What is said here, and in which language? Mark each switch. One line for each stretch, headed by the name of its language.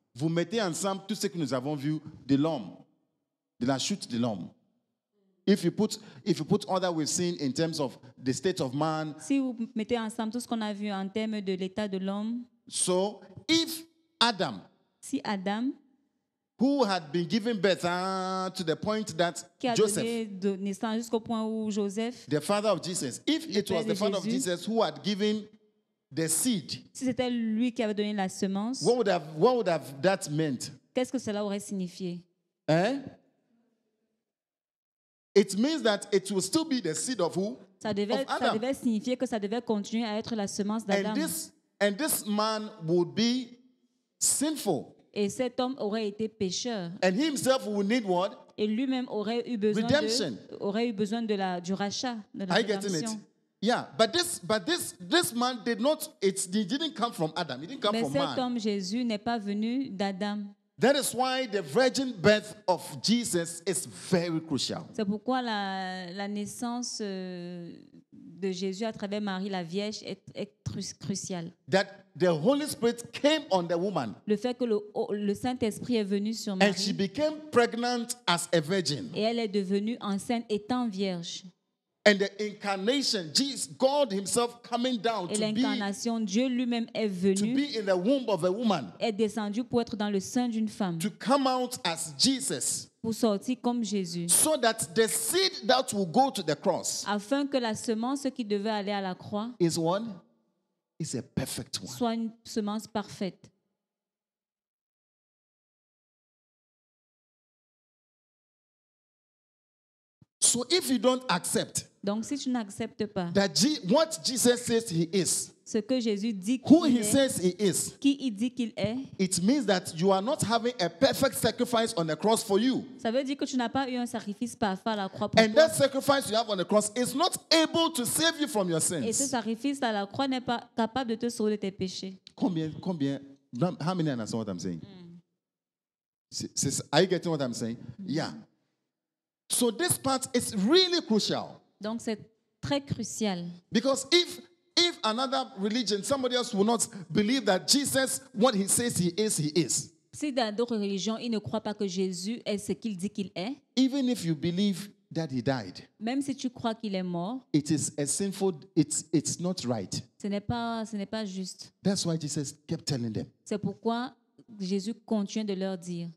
French: Vous mettez ensemble tout ce que nous avons vu de l'homme. De la chute de l'homme.
English: If you put all that we've seen in terms of the state of man.
French: Si vous mettez ensemble tout ce qu'on a vu en termes de l'état de l'homme.
English: So, if Adam.
French: Si Adam.
English: Who had been given birth to the point that Joseph.
French: Donné naissance jusqu'au point où Joseph.
English: The father of Jesus. If it was the father Jésus, of Jesus who had given the seed.
French: Si c'était lui qui avait donné la semence.
English: What would have that meant?
French: Qu'est-ce que cela aurait signifié? Hein?
English: It means that it will still be the seed of who?
French: Ça devait,
English: of Adam.
French: Ça devait signifier que ça devait continuer à être la semence d'Adam.
English: And this man would be sinful.
French: Et cet homme aurait été pécheur.
English: And he himself would need what?
French: Et lui-même aurait eu besoin
English: redemption.
French: Du rachat, de la rédemption.
English: Are you getting it? Yeah, but this man did not. It didn't come from Adam. It didn't come
French: Mais
English: from man.
French: Mais cet homme Jésus n'est pas venu d'Adam.
English: That is why the virgin birth of Jesus is very crucial.
French: C'est pourquoi la naissance de Jésus à travers Marie la Vierge est cruciale.
English: That the Holy Spirit came on the woman.
French: Le fait que le Saint-Esprit est venu sur Marie.
English: And she became pregnant as a virgin.
French: Et elle est devenue enceinte étant vierge.
English: And the incarnation, Jesus, God Himself coming down
French: et l'incarnation, Dieu lui-même est venu
English: to be in the womb of a woman,
French: est descendu pour être dans le sein d'une femme
English: to come out as Jesus,
French: pour sortir comme Jésus
English: so that the seed that will go to the cross,
French: afin que la semence qui devait aller à la croix
English: is one, is a perfect one.
French: Soit une semence parfaite.
English: So if you don't accept,
French: donc si tu n'acceptes pas,
English: that what Jesus says he is,
French: ce que Jésus dit qu'il
English: who he says he is,
French: qui il dit qu'il est,
English: it means that you are not having a perfect sacrifice on the cross for you.
French: Ça veut dire que tu n'as pas eu un sacrifice parfait à la croix pour toi.
English: And that sacrifice you have on the cross is not able to save you from your sins.
French: Et ce sacrifice à la croix n'est pas capable de te sauver de tes péchés. Combien?
English: How many understand what I'm saying? Are you getting what I'm saying? Yeah. So this part is really crucial.
French: Donc c'est très crucial.
English: Because if another religion, somebody else will not believe that Jesus, what he says he is, he is.
French: Si dans d'autres religions, ils ne croient pas que Jésus est ce qu'il dit qu'il est.
English: Even if you believe that he died.
French: Même si tu crois qu'il est mort.
English: It is a sinful. It's not right.
French: Ce n'est pas juste.
English: That's why Jesus kept telling them.
French: C'est pourquoi Jésus continue de leur dire,